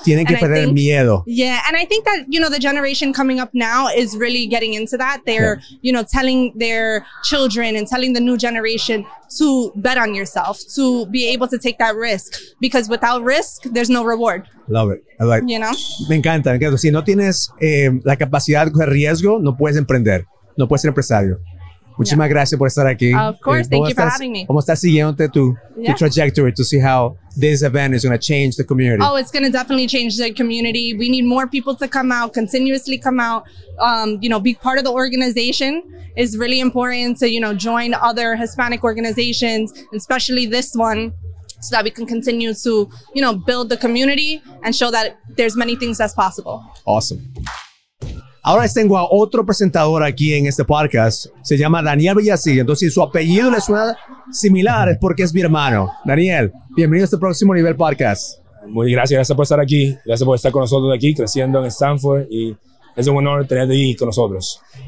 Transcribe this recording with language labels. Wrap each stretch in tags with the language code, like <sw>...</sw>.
<es>Tienen que perder miedo.</es> <en>Yeah, and I think that, you know, the generation coming up now is really getting into that. They're, you know, telling their children and telling the new generation to bet on yourself, to be able to take that risk, because without risk, there's no reward. Love it. I like. You know?</en> <es>Me encanta. Si no tienes la capacidad de coger riesgo, no puedes emprender, no puedes ser empresario. Muchísimas gracias por estar aquí.</es> <en>Of course, thank you for having me.</en> <es>¿Cómo estás siguiéndote tu, tu</es> <en>trajectory to see how this event is going to change the community? Oh, it's going to definitely change the community. We need more people to come out, continuously come out. You know, be part of the organization is really important to, you know, join other Hispanic organizations, especially this one, so that we can continue to, you know, build the community and show that there's many things that's possible. Awesome.</en> <es>Ahora tengo a otro presentador aquí en este podcast. Se llama Daniel Villasí. Entonces, si su apellido le suena similar, es porque es mi hermano. Daniel, bienvenido a este próximo nivel podcast. Muy gracias. Gracias por estar aquí. Gracias por estar con nosotros aquí, creciendo en Stanford. Y es un honor tenerte aquí con nosotros.</es>